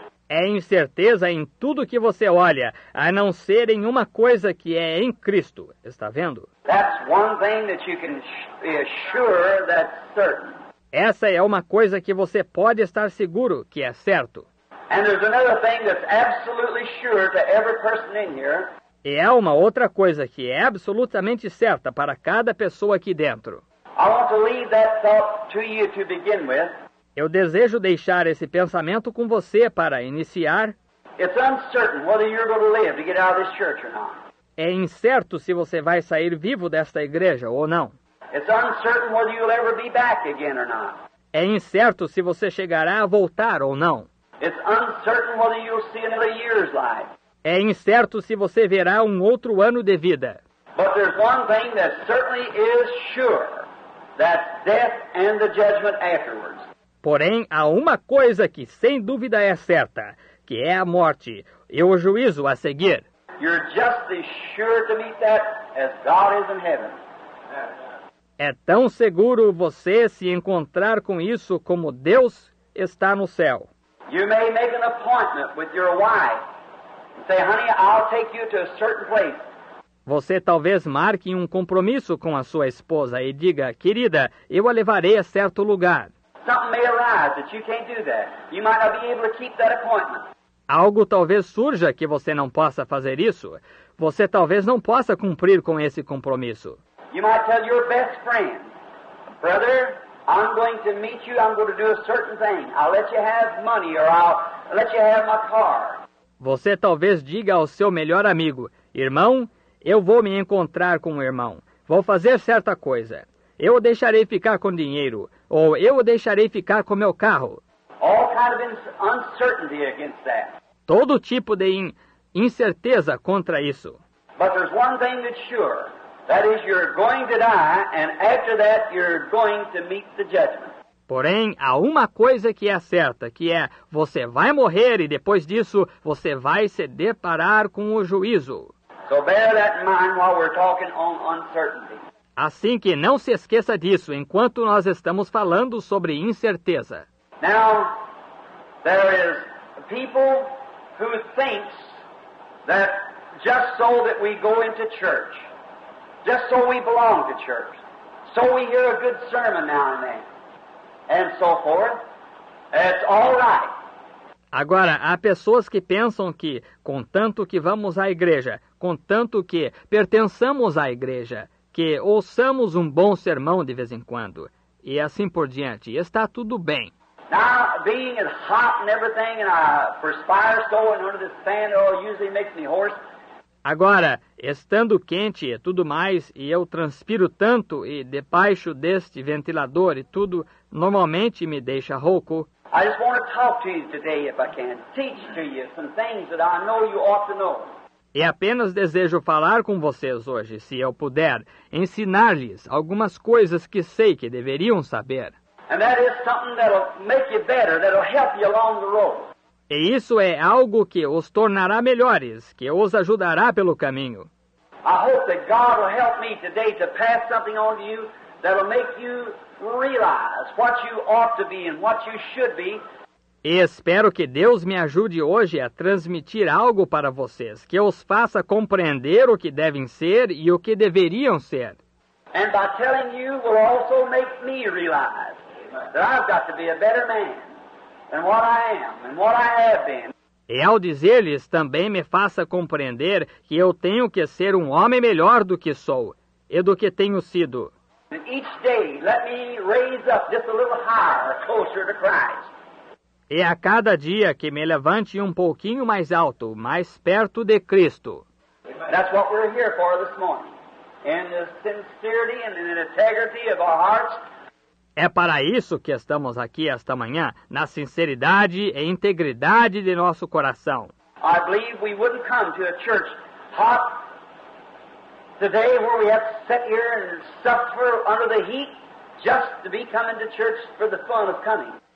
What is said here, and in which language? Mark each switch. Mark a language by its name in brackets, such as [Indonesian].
[Portuguese] É incerteza em tudo que você olha, a não ser em uma coisa que é em Cristo. Está vendo? [English] That's one thing that you can be sure that's certain. [Portuguese] Essa é uma coisa que você pode estar seguro que é certo. [English] And there's another thing that's absolutely sure to every person in here. [Portuguese] E há uma outra coisa que é absolutamente certa para cada pessoa aqui dentro. [English] I want to leave that thought to you to begin with. [Portuguese] Eu desejo deixar esse pensamento com você para iniciar. [English] It's uncertain whether you're going to live to get out of this church or not. [Portuguese] É incerto se você vai sair vivo desta igreja ou não. [English] It's uncertain whether you'll ever be back again or not. [Portuguese] É incerto se você chegará a voltar ou não. [English] It's uncertain whether you'll see another year's life. [Portuguese] É incerto se você verá um outro ano de vida. [English] But there's one thing that certainly is sure, that's death and the judgment afterwards. [Portuguese] Porém, há uma coisa que sem dúvida é certa, que é a morte e o juízo a seguir. [English] You're just as sure to meet that as God is in heaven. [Portuguese] É tão seguro você se encontrar com isso como Deus está no céu. [English] You may make an appointment with your wife and say, honey, I'll take you to a certain place. [Portuguese] Você talvez marque um compromisso com a sua esposa e diga, querida, eu a levarei a certo lugar. [English] Something may arise that you can't do that. You might not be able to keep that appointment. [Portuguese] Algo talvez surja que você não possa fazer isso. Você talvez não possa cumprir com esse compromisso. [English] You might tell your best friend, brother, I'm going to meet you, I'm going to do a certain thing. I'll let you have money or I'll let you have my car. [Portuguese] Você talvez diga ao seu melhor amigo, irmão, eu vou me encontrar com o irmão. Vou fazer certa coisa. Eu o deixarei ficar com dinheiro. Ou eu o deixarei ficar com meu carro. [English] All kind of uncertainty against that. [Portuguese] Todo tipo de incerteza contra isso. [English] But there's one thing that's sure. That is, you're going to die, and after that, you're going to meet the judgment. [Portuguese] Porém, há uma coisa que é certa, que é, você vai morrer, e depois disso, você vai se deparar com o juízo. [English] So bear that in mind while we're talking on uncertainty. [Portuguese] Assim que não se esqueça disso, enquanto nós estamos falando sobre incerteza. [English] Now, there is people who thinks that just so that we go into church, just so we belong to church, so we hear a good sermon now and then, and so forth, it's all right. [Portuguese] Agora, há pessoas que pensam que, contanto que vamos à igreja, contanto que pertençamos à igreja, que ouçamos um bom sermão de vez em quando, e assim por diante, está tudo bem. [English] Now, being as hot and everything, and I perspire so, and under this fan, it usually makes me hoarse. [Portuguese] Agora, estando quente e tudo mais, e eu transpiro tanto, e debaixo deste ventilador e tudo, normalmente me deixa rouco. [English] I just want to talk to you today, if I can, teach to you some things that I know you ought to know. [Portuguese] E apenas desejo falar com vocês hoje, se eu puder, ensinar-lhes algumas coisas que sei que deveriam saber. [English] And that is something that'll make you better, that'll help you along the road. [Portuguese] E isso é algo que os tornará melhores, que os ajudará pelo caminho. [English] I hope that God will help me today to pass something on to you that'll make you realize what you ought to be and what you should be. [Portuguese] E espero que Deus me ajude hoje a transmitir algo para vocês, que os faça compreender o que devem ser e o que deveriam ser. [English] And by telling you will also make me realize that I've got to be a better man than what I am and what I have been. [Portuguese] E ao dizer-lhes também me faça compreender que eu tenho que ser um homem melhor do que sou e do que tenho sido. [English] And each day let me raise up just a little higher, closer to Christ. [Portuguese] E a cada dia que me levante um pouquinho mais alto, mais perto de Cristo. [English] That's what we're here for this morning. In the sincerity and in the integrity of our hearts. [Portuguese] É para isso que estamos aqui esta manhã, na sinceridade e integridade de nosso coração. [English] I believe we wouldn't come to a church hot today where we have to sit here and suffer under the heat just to be coming to church for the fun of coming.